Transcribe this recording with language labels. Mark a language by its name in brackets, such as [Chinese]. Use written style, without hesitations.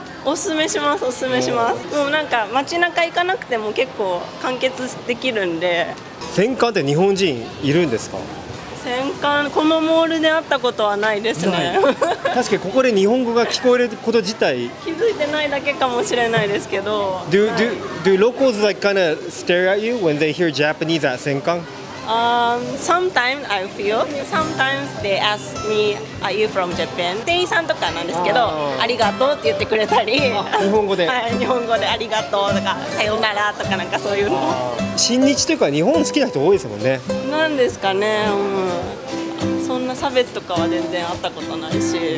[Japanese] おすすめします、おすすめします。もうなんか街中行かなくても結構完結できるんで。センカンって日本人いるんですか？センカン、このモールで会ったことはないですね。確かにここで日本語が聞こえること自体気づいてないだけかもしれないですけど。 [English] Do locals like kind of stare at you when they hear Japanese at センカン？ Sometimes I feel. Sometimes they ask me, "Are you from Japan?" [Japanese] 店員さんとかなんですけど、ありがとうって言ってくれたり。日本語で。はい、日本語でありがとうとかさよならとかなんかそういうの。新日というか日本好きな人多いですもんね。なんですかね。そんな。の差別とかは全然あったことないし、